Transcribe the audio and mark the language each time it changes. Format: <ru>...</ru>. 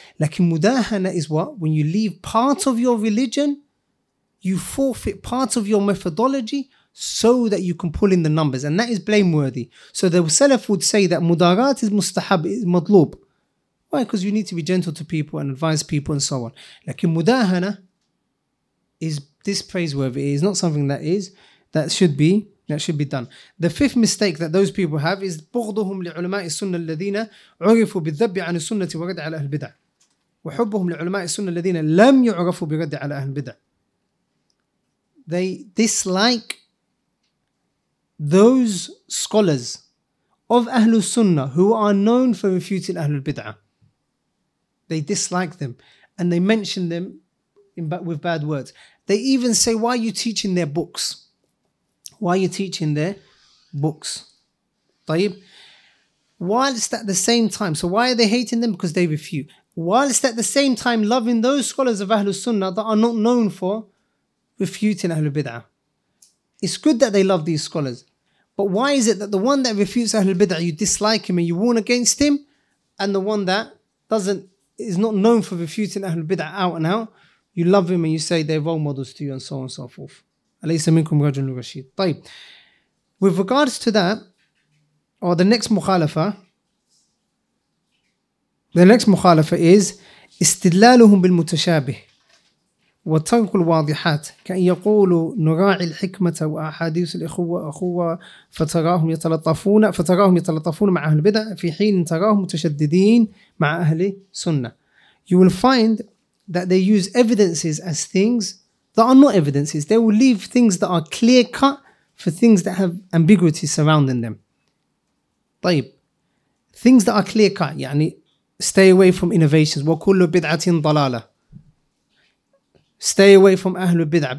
<en>Like mudahana is what? When you leave part of your religion, you forfeit part of your methodology so that you can pull in the numbers. And that is blameworthy. So the Salaf would say that mudarat is mustahab, is madloob. Why? Because you need to be gentle to people and advise people and so on. Like mudahana is dispraiseworthy. It is not something that should be that should be done. The fifth mistake that those people have is</en> <ar>بغضهم لعلماء السنة الذين عرفوا بالذب عن السنة ورد على أهل البدع وحبهم لعلماء السنة الذين لم يعرفوا برد على أهل البدع.</ar> <en>They dislike those scholars of Ahlul Sunnah who are known for refuting Ahlul Bid'ah. They dislike them and they mention them with bad words. They even say, why are you teaching their books? Why are you teaching their books? طيب. Whilst at the same time, so why are they hating them? Because they refute. Whilst at the same time loving those scholars of Ahlul Sunnah that are not known for refuting Ahlul Bid'ah. It's good that they love these scholars. But why is it that the one that refutes Ahlul Bid'ah, you dislike him and you warn against him, and the one that doesn't is not known for refuting Ahlul Bid'ah out and out, you love him and you say they're role models to you and so on and so forth.</en> <ar>أَلَيْسَ مِنْكُمْ رَجُلٌ رَشِيدٌ. طيب.</ar> <en>With regards to that, or the next mukhalafa is</en> <ar>استدلالهم بالمتشابه وترك الواضحات كأن يقولوا نراعي الحكمة وأحاديث الإخوة أخوة فتراهم يتلطفون مع أهل البدع في حين تراهم متشددين مع أهل سنة.</ar> <en>You will find that they use evidences as things that are not evidences. They will leave things that are clear cut for things that have ambiguity surrounding them. طيب. Things that are clear cut, يعني stay away from innovations.</en> <ar>وكل بدعة ضلالة.</ar> <en>Stay away from Ahlul Bid'ah.</en>